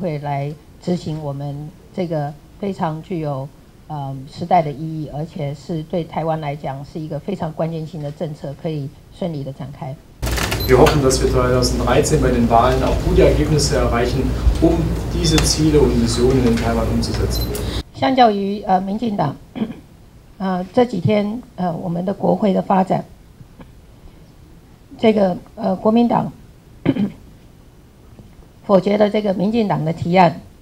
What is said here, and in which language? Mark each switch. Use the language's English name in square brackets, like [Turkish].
[Chinese] 我们也希望明年的大选中可以获得胜利，让我们更有机会来执行我们。这个非常具有时代的意义，而且是对台湾来讲是一个非常关键性的政策，可以顺利的展开。 [German] Wir hoffen, dass wir 2013 bei den Wahlen auch gute Ergebnisse erreichen, um diese Ziele und Visionen in Taiwan umzusetzen. [Chinese] 相较于民进党，这几天我们的国会的发展，这个国民党否决了这个民进党的提案。